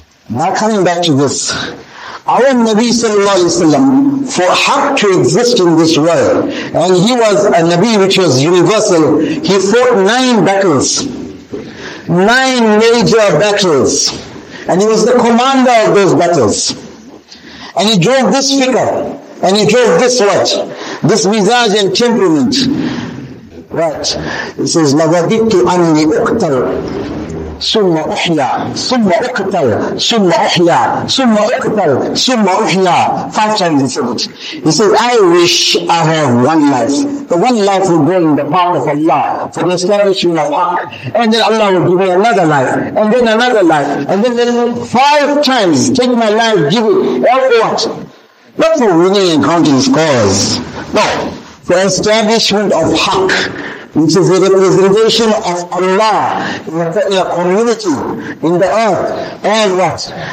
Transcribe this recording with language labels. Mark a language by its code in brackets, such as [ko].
[en] Now coming back to this. Our Nabi sallallahu alayhi wa sallam, for Haq to exist in this world, and he was a Nabi which was universal, he fought 9 battles. 9 major battles. And he was the commander of those battles. And he drove this figure. And he drove this what? This visage and temperament. Right. He says, [ar] لَوَدِدْتُ أَنِّي أُقْتَلُ ثُمَّ أُحْيَى ثُمَّ أُقْتَلُ ثُمَّ أُحْيَى ثُمَّ أُقْتَلُ ثُمَّ أُحْيَى [en] 5 times he said it. He says, I wish I have one life. The one life will bring the power of Allah for the establishment of Haq. And then Allah will give me another life. And then another life. And then 5 times, take my life, give it. All for what? Not for winning and counting scores. No. For establishment of Haq, which is a representation of Allah in a community, in the earth, and what?